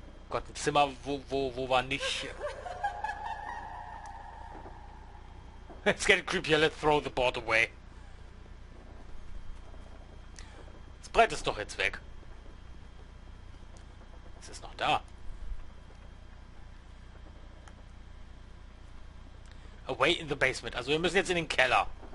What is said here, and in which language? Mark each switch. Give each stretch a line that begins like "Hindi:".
German: Gott, ein Zimmer, wo war nicht...
English: It's getting creepier, let's throw the board away.
German: Das Brett ist doch jetzt weg. Es ist noch da.
English: Away in the basement.
German: Also wir müssen jetzt in den Keller.